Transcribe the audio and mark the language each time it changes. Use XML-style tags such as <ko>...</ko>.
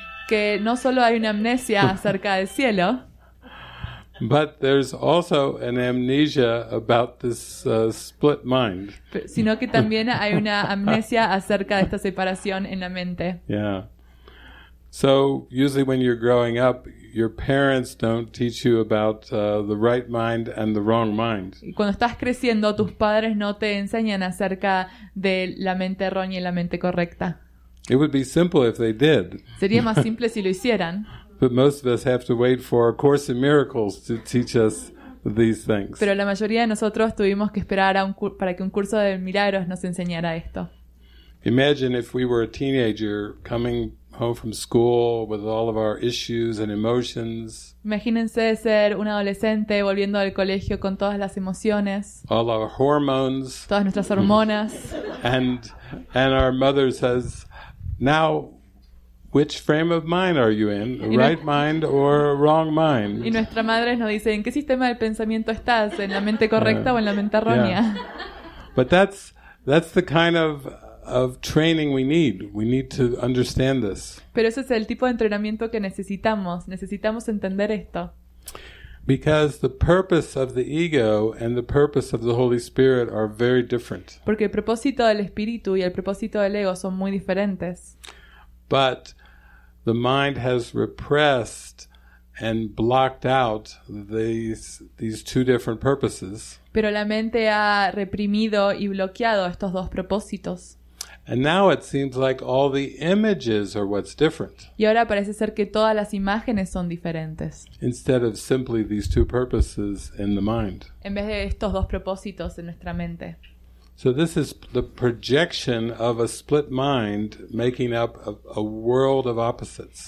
<es>Que no solo hay una amnesia acerca del cielo.</es> <en>But there's also an amnesia about this split mind.</en> <es>Sino que también hay una amnesia acerca de esta separación en la mente.</es> <en>Yeah. So usually when you're growing up, your parents don't teach you about the right mind and the wrong mind.</en> <es>Y cuando estás creciendo, tus padres no te enseñan acerca de la mente errónea y la mente correcta.</es> <en>It would be simple if they did.</en> <es>Sería más simple si lo hicieran.</es> <en>But most of us have to wait for A Course in Miracles to teach us these things.</en> <es>Pero la mayoría de nosotros tuvimos que esperar para que un curso de milagros nos enseñara esto.</es> <en>Imagine if we were a teenager coming home from school with all of our issues and emotions.</en> <es>Imagínense ser un adolescente volviendo del colegio con todas las emociones.</es> <en>All our hormones.</en> <es>Todas nuestras hormonas.</es> <en>And our mother says, "Now, which frame of mind are you in? Right mind or wrong mind?"</en> <es>Y nuestra madre nos dice, ¿en qué sistema de pensamiento estás? ¿En la mente correcta o en la mente errónea?</es> <en>Yeah. But that's the kind of training we need. We need to understand this.</en> <es>Pero ese es el tipo de entrenamiento que necesitamos. Necesitamos entender esto.</es> <en>Because the purpose of the ego and the purpose of the Holy Spirit are very different.</en> <es>Porque el propósito del espíritu y el propósito del ego son muy diferentes.</es> <en>But the mind has repressed and blocked out these two different purposes.</en> <es>Pero la mente ha reprimido y bloqueado estos dos propósitos.</es> <en>And now it seems like all the images are what's different.</en> <es>Y ahora parece ser que todas las imágenes son diferentes.</es> <en>Instead of simply these two purposes in the mind.</en> <es>En vez de estos dos propósitos en nuestra mente.</es> <en>So this is the projection of a split mind making up a world of opposites.</en>